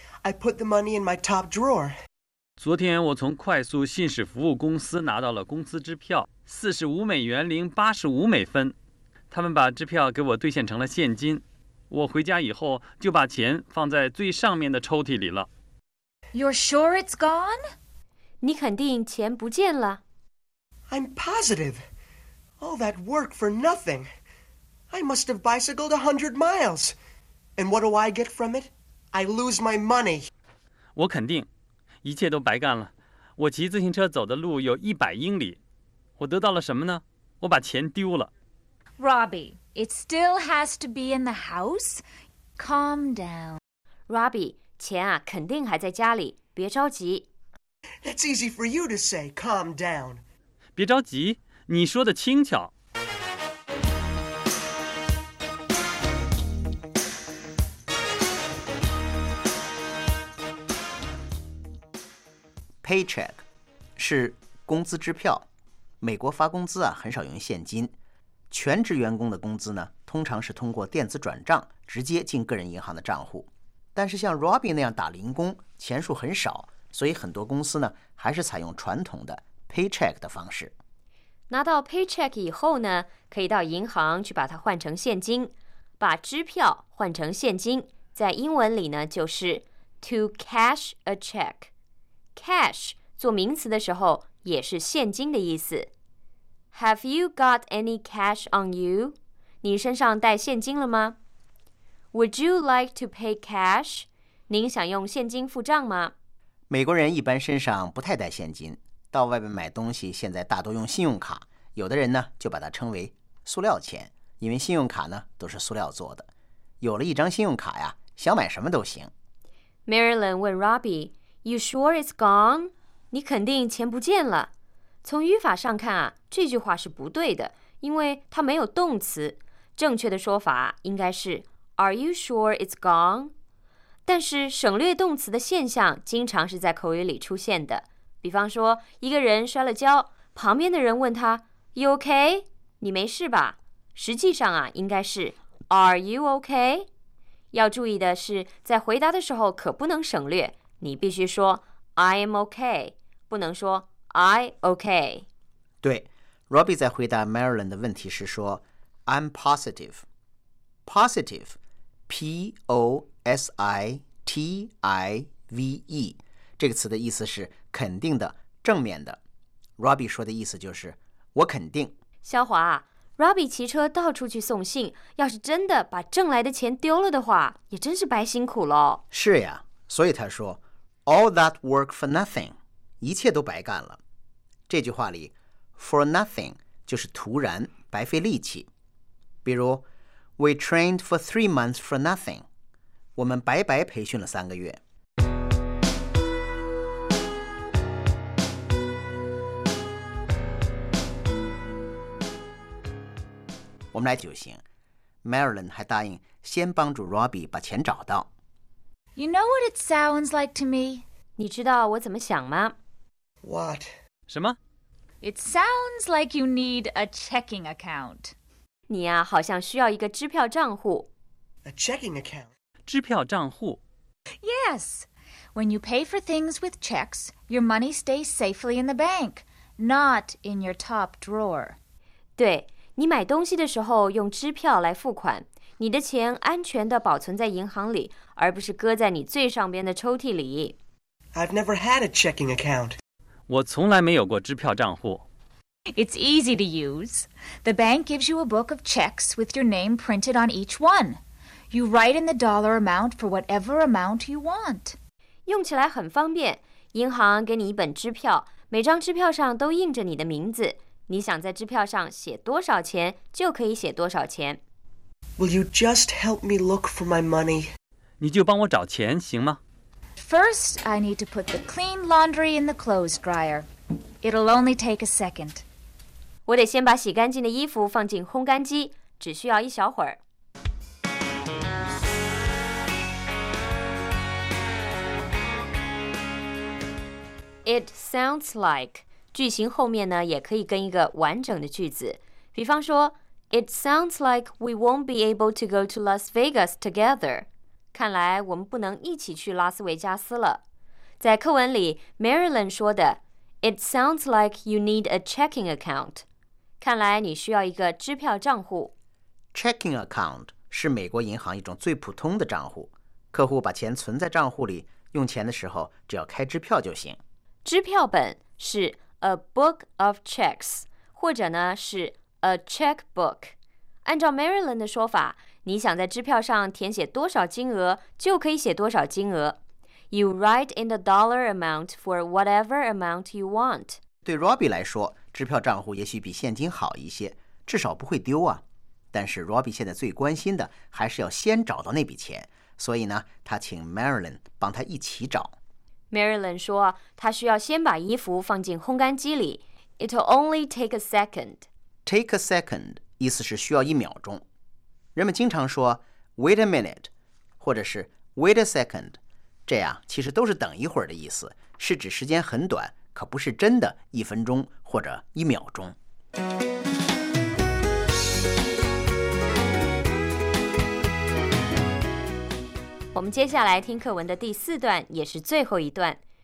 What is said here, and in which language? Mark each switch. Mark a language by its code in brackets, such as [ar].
[en] I put the money in my top drawer. [zh] 昨天我从快速信使服务公司拿到了工资支票，$45.85。他们把支票给我兑现成了现金。我回家以后就把钱放在最上面的抽屉里了。 [en] You're sure it's gone? [zh] 你肯定钱不见了。 [en] I'm positive. All that work for nothing. I must have bicycled 100 miles. And what do I get from it? I lose my money. [zh] 我肯定，一切都白干了。我骑自行车走的路有100英里。我得到了什么呢？我把钱丢了。 [en] Robbie, it still has to be in the house. Calm down. [zh] Robbie, 钱啊，肯定还在家里，别着急。 [en] That's easy for you to say, calm down. [zh] 别着急，你说的轻巧。 Paycheck 是工资支票，美国发工资啊很少用现金。全职员工的工资呢，通常是通过电子转账直接进个人银行的账户。但是像 Robbie 那样打零工，钱数很少，所以很多公司呢还是采用传统的 paycheck 的方式。拿到 paycheck 以后呢，可以到银行去把它换成现金，把支票换成现金，在英文里呢就是 to cash a check。 Cash 做名词的时候也是现金的意思。 [en] Have you got any cash on you? [zh] 你身上带现金了吗？ [en] Would you like to pay cash? [zh] 您想用现金付账吗？美国人一般身上不太带现金，到外面买东西现在大多用信用卡，有的人呢就把它称为塑料钱，因为信用卡呢都是塑料做的。有了一张信用卡呀，想买什么都行。 Marilyn 问 Robbie, You sure it's gone? 你肯定钱不见了。从语法上看啊，这句话是不对的，因为它没有动词。正确的说法应该是 Are you sure it's gone? 但是省略动词的现象经常是在口语里出现的。比方说，一个人摔了跤，旁边的人问他 You okay? 你没事吧？实际上啊，应该是 Are you okay? 要注意的是，在回答的时候可不能省略。你必须说 I am okay, 不能说 I okay. 对， Robbie 在回答 Marilyn 的问题是说 I'm positive. Positive, P-O-S-I-T-I-V-E, 这个词的意思是肯定的，正面的。 Robbie 说的意思就是我肯定。肖华， Robbie 骑车到处去送信，要是真的把挣来的钱丢了的话，也真是白辛苦了。是呀，所以他说 All that work for nothing, 一切都白干了。这句话里 for nothing 就是徒然，白费力气。 [en] 比如 We trained for 3 months for nothing, 我们白白培训了3个月。 [zh] 我们来就行。 Marilyn 还答应先帮助 Robbie 把钱找到。 [en] You know what it sounds like to me? [zh] 你知道我怎么想吗？ [en] What? [zh] 什么？ [en] It sounds like you need a checking account. [zh] 你啊，好像需要一个支票账户。 [en] A checking account? [zh] 支票账户。 [en] Yes. When you pay for things with checks, your money stays safely in the bank, not in your top drawer. [zh] 对，你买东西的时候用支票来付款。你的钱安全地保存在银行里，而不是搁在你最上边的抽屉里。 [en] I've never had a checking account. [zh] 我从来没有过支票账户。 [en] It's easy to use. The bank gives you a book of checks with your name printed on each one. You write in the dollar amount for whatever amount you want. [zh] 用起来很方便。银行给你一本支票，每张支票上都印着你的名字。你想在支票上写多少钱，就可以写多少钱。 [en] Will you just help me look for my money? [zh] 你就帮我找钱行吗？ [en] First, I need to put the clean laundry in the clothes dryer. It'll only take a second. [zh] 我得先把洗干净的衣服放进烘干机，只需要一小会儿。 [en] It sounds like 句型后面呢，也可以跟一个完整的句子，比方说。 It sounds like we won't be able to go to Las Vegas together. [zh] 看来我们不能一起去拉斯维加斯了。在课文里 ，Marilyn 说的 ， "It sounds like you need a checking account." 看来你需要一个支票账户。 Checking account 是美国银行一种最普通的账户，客户把钱存在账户里，用钱的时候只要开支票就行。支票本是 a book of checks，或者呢是 a checkbook。按照 Marilyn 的说法，你想在支票上填写多少金额，就可以写多少金额。 [en] You write in the dollar amount for whatever amount you want. [zh] 对 Robbie 来说，支票账户也许比现金好一些，至少不会丢啊。但是 Robbie 现在最关心的还是要先找到那笔钱，所以呢，他请 Marilyn 帮他一起找。 Marilyn 说，他需要先把衣服放进烘干机里。 [en] It'll only take a second. [zh] Take a second 意思是需要一秒钟。人们经常说 wait a minute，或者是 wait a second。这样其实都是等一会儿的意思，是指时间很短，可不是真的一分钟或者一秒钟。我们接下来听课文的第四段，也是最后一段。